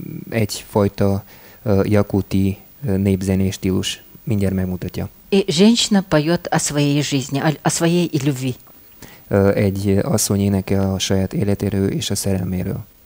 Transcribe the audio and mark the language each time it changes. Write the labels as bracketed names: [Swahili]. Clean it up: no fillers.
[Hungarian] Egyfajta jakuti népzenés stílus. Mindjárt megmutatja. [Russian] Женщина поет о своей жизни, о своей любви. [Hungarian] Egy asszony énekel a saját életéről és a szerelméről.